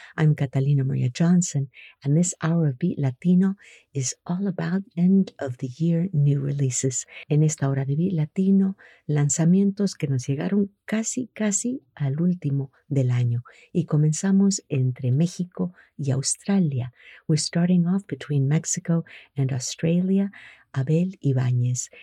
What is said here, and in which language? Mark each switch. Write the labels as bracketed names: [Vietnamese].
[English] I'm Catalina Maria Johnson, and this hour of Beat Latino is all about end of the year new releases. [Spanish] En esta hora de Beat Latino, lanzamientos que nos llegaron casi, casi al último del año. Y comenzamos entre México y Australia. [English] We're starting off between Mexico and Australia, Abel Ibáñez.